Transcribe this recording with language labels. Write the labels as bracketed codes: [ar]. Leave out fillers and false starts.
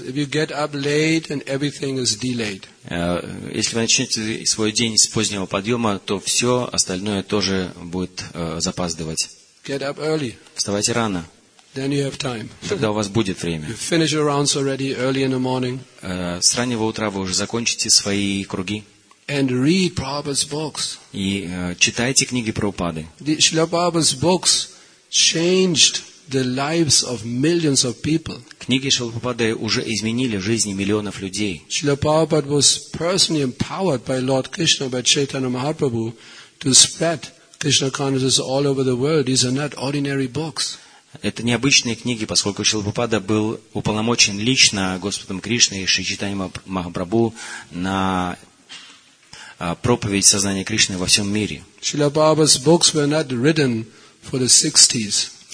[en] If you get up late and everything is delayed. [ru] Если вы начнете свой день с позднего подъема, то все остальное тоже будет запаздывать. [en] Get up early. [ru] Вставайте рано. [en] Then you have time. [ru] Тогда у вас будет время. [en] You finish your rounds already early in the morning. [ru] С раннего утра вы уже закончите свои круги. [en] And read Prabhupada's books. [ru] И читайте книги Прабхупады. [en] Srila Prabhupada's books changed the lives of millions of people. [ru] Книги Шрилы Прабхупады уже изменили жизни миллионов людей. [en] Srila Prabhupada was personally empowered by Lord Krishna, by Chaitanya Mahaprabhu, to spread Krishna consciousness all over the world. These are not ordinary books. [ru] Это необычные книги, поскольку Шрила Прабхупада был уполномочен лично Господом Кришной и Шри Чайтанья Махапрабху на проповедь сознания Кришны во всем мире. [en] Srila Prabhupada's books were not written for the 60s.